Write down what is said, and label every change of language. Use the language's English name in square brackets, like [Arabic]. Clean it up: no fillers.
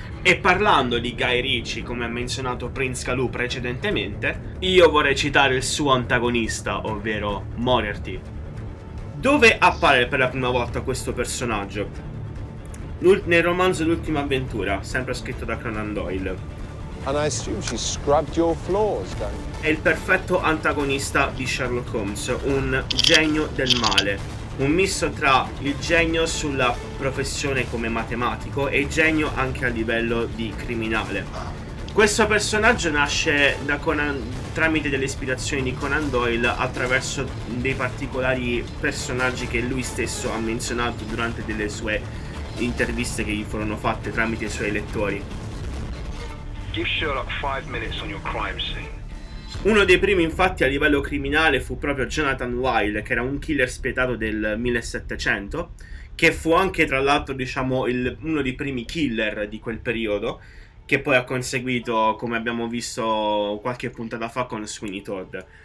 [Italian] E parlando di Guy Ritchie, come ha menzionato Prince Caloo precedentemente, io vorrei citare il suo antagonista, ovvero Moriarty. Dove appare per la prima volta questo personaggio? Nel romanzo L'ultima avventura, sempre scritto da Conan Doyle. [English] And I assume she scrubbed your floors, Danny. [Italian] È il perfetto antagonista di Sherlock Holmes, un genio del male. Un misto tra il genio sulla professione come matematico e genio anche a livello di criminale. Questo personaggio nasce da Conan, tramite delle ispirazioni di Conan Doyle attraverso dei particolari personaggi che lui stesso ha menzionato durante delle sue interviste che gli furono fatte tramite i suoi lettori. [English] Give Sherlock 5 minutes on your crime scene. [Italian] Uno dei primi infatti a livello criminale fu proprio Jonathan Wilde, che era un killer spietato del 1700, che fu anche tra l'altro diciamo uno dei primi killer di quel periodo, che poi ha conseguito, come abbiamo visto qualche puntata fa, con Sweeney Todd.